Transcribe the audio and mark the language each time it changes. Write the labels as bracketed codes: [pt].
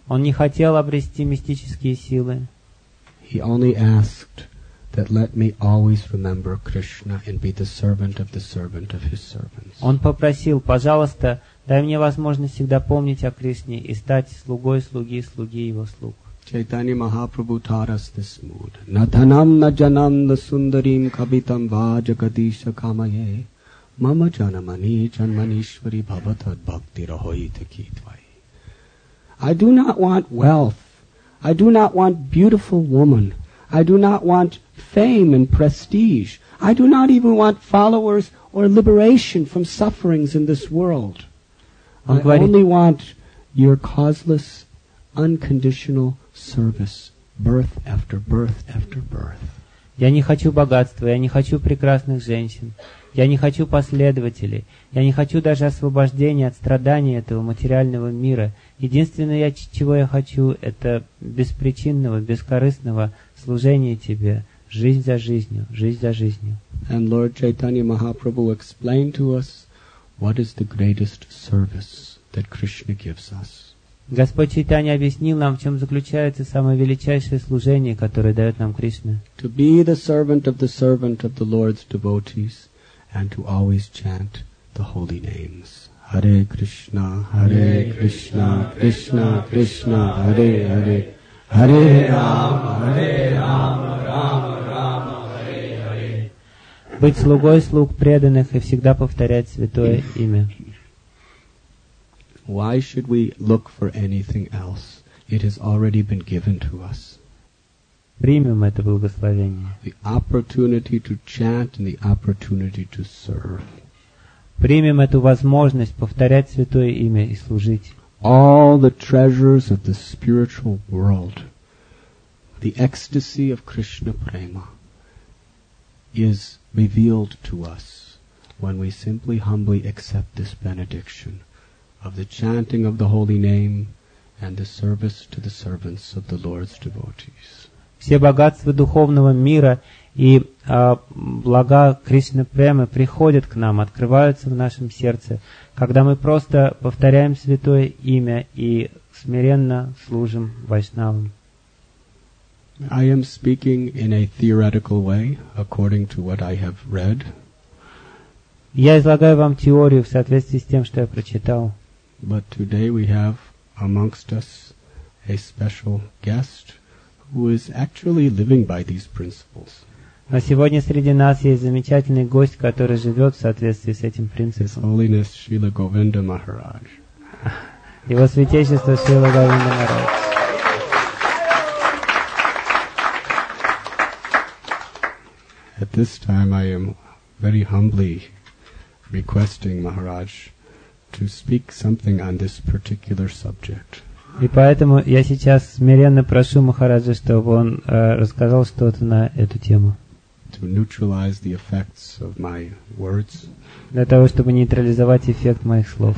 [ru] Он не хотел обрести мистические силы. [en] He only asked that let me always remember Krishna and be the servant of the servant of his servants. [ru] Он попросил, пожалуйста, дай мне возможность всегда помнить о Кришне и стать слугой слуги слуги его слуг. [en] Chaitanya Mahaprabhu taught us this mood. [sa] Nathanam na janam na sundarim kavitam va jagadisha kamaye mama janamani janmanishwari bhavatad bhakti rahoit kitvai. [en] I do not want wealth. I do not want beautiful woman. I do not want fame and prestige. I do not even want followers or liberation from sufferings in this world. I only want your causeless, unconditional service, birth after birth after birth. [ru] Я не хочу богатства, я не хочу прекрасных женщин, я не хочу последователей, я не хочу даже освобождения от страданий этого материального мира. Единственное, чего я хочу, это беспричинного, бескорыстного служения Тебе, жизнь за жизнью, жизнь за жизнью. [en] And Lord Chaitanya Mahaprabhu explained to us what is the greatest service that Krishna gives us. [ru] Господь Чайтанья объяснил нам, в чем заключается самое величайшее служение, которое дает нам Кришна. [en] To be the servant of the servant of the Lord's devotees and to always chant the holy names. [sa] Hare Krishna, Krishna Krishna, Hare Hare. Hare Rama, Hare Rama, Rama Rama, Hare Hare. [ru] Быть слугой слуг преданных и всегда повторять святое имя. [en] Why should we look for anything else? It has already been given to us. [ru] Примем это благословение. [en] The opportunity to chant and the opportunity to serve. [ru] Примем эту возможность повторять святое имя и служить. [en] All the treasures of the spiritual world, the ecstasy of Krishna Prema, is revealed to us when we simply humbly accept this benediction of the chanting of the holy name and the service to the servants of the Lord's devotees. [ru] Все богатства духовного мира и блага Кришны Премы приходят к нам, открываются в нашем сердце, когда мы просто повторяем святое имя и смиренно служим вайшнавам. [en] I am speaking in a theoretical way, according to what I have read. [ru] Я излагаю вам теорию в соответствии с тем, что я прочитал. [en] But today we have amongst us a special guest who is actually living by these principles. [ru] Но сегодня среди нас есть замечательный гость, который живет в соответствии с этим принципом. [en] His Holiness Srila Govinda Maharaj. [ru] Его святейшество Srila Govinda Maharaj. [en] At this time I am very humbly requesting Maharaj to speak something on this particular subject. [ru] И поэтому я сейчас смиренно прошу Махараджа, чтобы он рассказал что-то на эту тему. [en] To neutralize the effects of my words. [ru] Для того, чтобы нейтрализовать эффект моих слов.